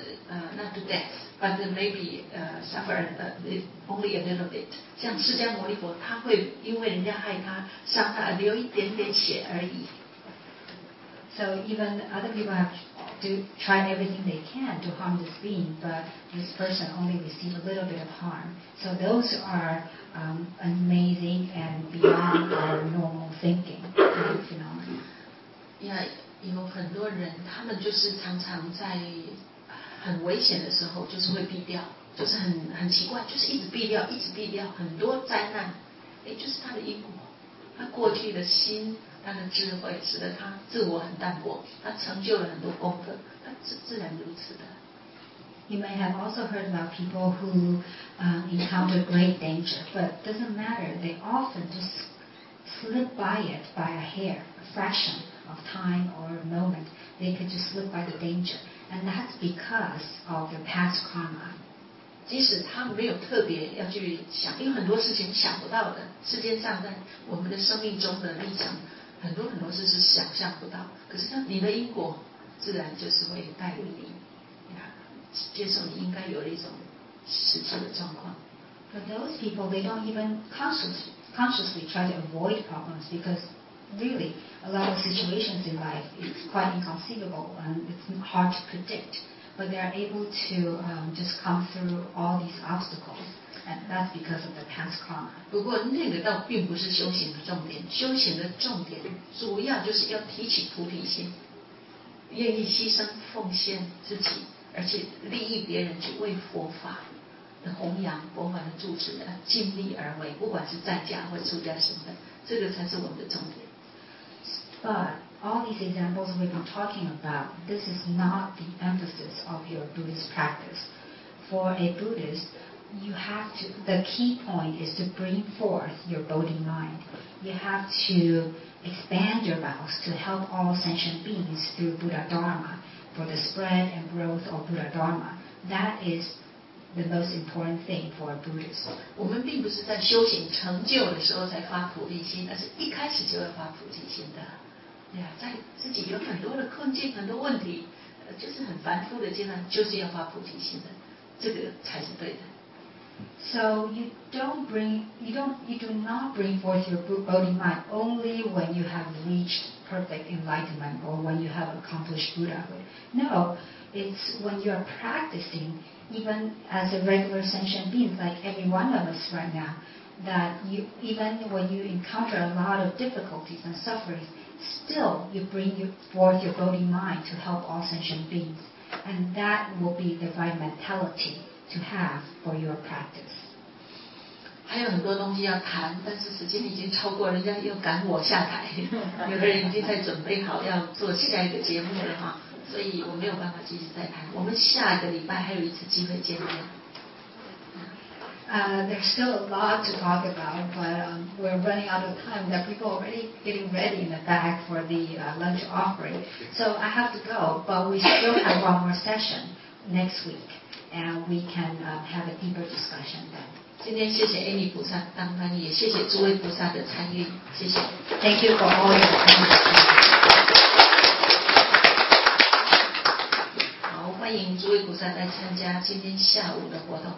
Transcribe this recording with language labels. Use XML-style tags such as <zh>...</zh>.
<en>Not to death, but maybe suffer only a little bit.</en> <zh>像释迦牟尼佛，他会因为人家害他，伤他流一点点血而已。</zh> <en>So even other people have tried everything they can to harm this being, but this person only received a little bit of harm. So those are amazing and beyond our normal thinking kind of phenomena.</en> <zh>Yeah, 有很多人他们就是常常在很危险的时候就是会避掉，就是很奇怪，就是一直避掉很多灾难，就是他的因果，他过去的心，他的智慧使得他自我很淡薄，他成就了很多功德，他是自然如此的。</zh> <en>You may have also heard about people who encounter great danger, but doesn't matter. They often just slip by it by a hair, a fraction of time or a moment. They could just slip by the danger. And that's because of their past karma.</en> <zh>即使他没有特别要去想，因为很多事情想不到的，世界上在我们的生命中的历程，很多很多事是想象不到。可是你的因果自然就是会带领你接受你应该有的一种实际的状况。</zh> <en>For those people, they don't even consciously try to avoid problems because really, a lot of situations in life is quite inconceivable and it's hard to predict. But they are able to just come through all these obstacles, and that's because of the past karma.</en> <zh>不过那个倒并不是修行的重点，修行的重点主要就是要提起菩提心，愿意牺牲奉献自己。而且利益别人，去为佛法的弘扬、佛法的住持的尽力而为，不管是在家或出家身份，这个才是我们的重点。</zh> <en>But all these examples we've been talking about, this is not the emphasis of your Buddhist practice. For a Buddhist, the key point is to bring forth your Bodhi mind. You have to expand your vows to help all sentient beings through Buddha Dharma. For the spread and growth of Buddha Dharma, that is the most important thing for a Buddhist.</en> <zh>我们并不是在修行成就的时候才发菩提心，而是一开始就要发菩提心的。对啊，在自己有很多的困境、很多问题，就是很繁复的阶段，就是要发菩提心的，这个才是对的。</zh> <en>So you do not bring forth your Bodhi mind only when you have reached perfect enlightenment or when you have accomplished Buddhahood. No, it's when you are practicing, even as a regular sentient being like every one of us right now, that you, even when you encounter a lot of difficulties and sufferings, still you bring forth your Bodhi mind to help all sentient beings, and that will be the right mentality to have for your practice.</en> <zh>还有很多东西要谈，但是时间已经超过，人家又赶我下台，有的人已经在准备好要做下一个节目了哈，所以我没有办法继续再谈。我们下一个礼拜还有一次机会见面。</zh> <en>There's still a lot to talk about, but we're running out of time. There are people already getting ready in the back for the lunch offering. So I have to go, but we still have one more session next week, and we can have a deeper discussion then.</en> <zh>今天谢谢 Amy 菩萨当翻译，也谢谢诸位菩萨的参与，谢谢。</zh> <en>Thank you for all your time.</en> <zh>好，欢迎诸位菩萨来参加今天下午的活动。</zh>